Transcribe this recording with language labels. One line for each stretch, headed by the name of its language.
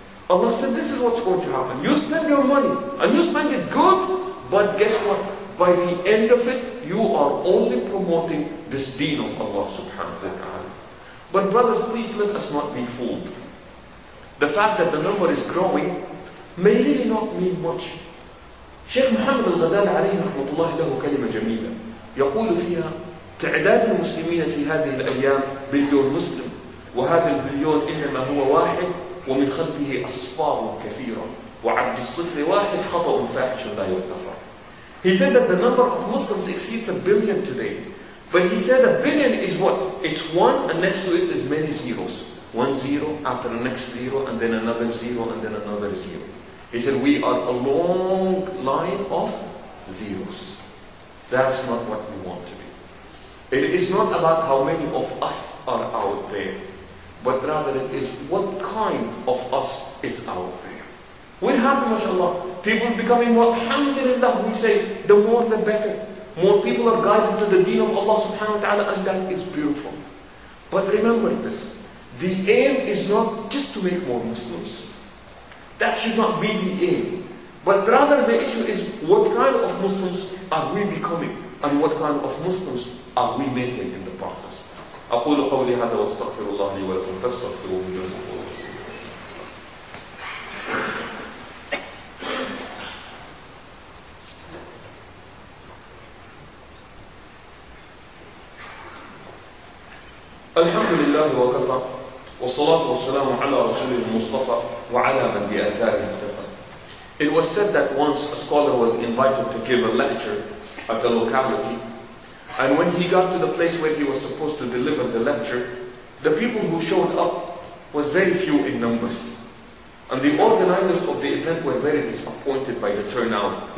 English: Allah said, this is what's going to happen. You spend your money, and you spend it good, but guess what? By the end of it, you are only promoting this deen of Allah subhanahu wa ta'ala. But brothers, please let us not be fooled. The fact that the number is growing may really not mean much.
Arabic: Sheikh Muhammad al-Ghazali alayhi rahmatullahi lahu kalima jameela. يقول فيها تعداد المسلمين في هذه الأيام بليون مسلم وهذا البليون إنما هو واحد ومن خلفه أصفار كثيرة وعبد الصفر واحد خطأ فاحش لا يغتفر.
English: He said that the number of Muslims exceeds a billion today. But he said a billion is what? It's one and next to it is many zeros. One zero after the next zero and then another zero and then another zero. He said we are a long line of zeros. That's not what we want to be. It is not about how many of us are out there. But rather it is what kind of us is out there. We're happy, mashallah. People becoming more, alhamdulillah, we say, the more the better. More people are guided to the deen of Allah subhanahu wa ta'ala, and that is beautiful. But remember this, the aim is not just to make more Muslims. That should not be the aim. But rather the issue is, what kind of Muslims are we becoming? And what kind of Muslims are we making in the process?
Arabic: أقول قولي هذا واستغفر الله لي ولكم فاستغفروه إنه هو الغفور. الحمد لله وكفى والصلاة والسلام على رسول المصطفى وعلى من بأثاره اكتفى.
English: It was said that once a scholar was invited to give a lecture at a locality, And when he got to the place where he was supposed to deliver the lecture, the people who showed up was very few in numbers. And the organizers of the event were very disappointed by the turnout.